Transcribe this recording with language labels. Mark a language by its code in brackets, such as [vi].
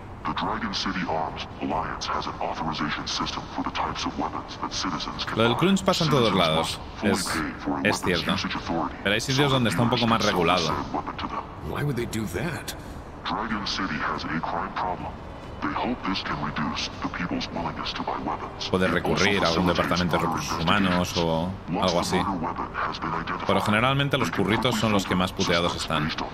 [en] The Dragon City Arms Alliance has an authorization system for the types of weapons that citizens can [es] buy. Lo del crunch pasa en todos lados. Es cierto. Pero hay sitios donde está un poco más regulado. [en] Why would they do that? Dragon City has a crime problem. They hope this can reduce the people's willingness to buy weapons. [es] Puede recurrir a algún departamento de recursos humanos o algo así. Pero generalmente los curritos son los que más puteados están.